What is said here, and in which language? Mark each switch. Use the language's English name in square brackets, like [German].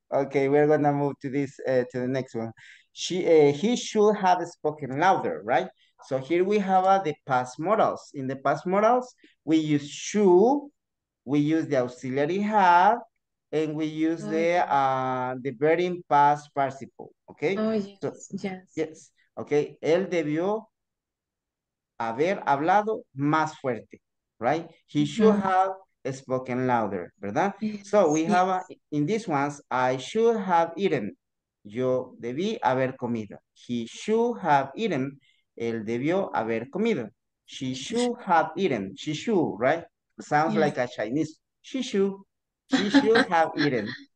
[English] Okay, we're gonna move to this, to the next one. He should have spoken louder, right? So here we have the past modals. In the past modals, we use should, we use the auxiliary have, and we use the verb in past participle, okay? Yes. [Spanish] Okay, él debió haber hablado más fuerte, right? [English] He should have spoken louder, ¿verdad? Yes. So we have, in these ones, I should have eaten. [Spanish] Yo debí haber comido. [English] He should have eaten. [Spanish] Él debió haber comido. [English] She should have eaten. She should, right? Sounds like a Chinese. She should have eaten.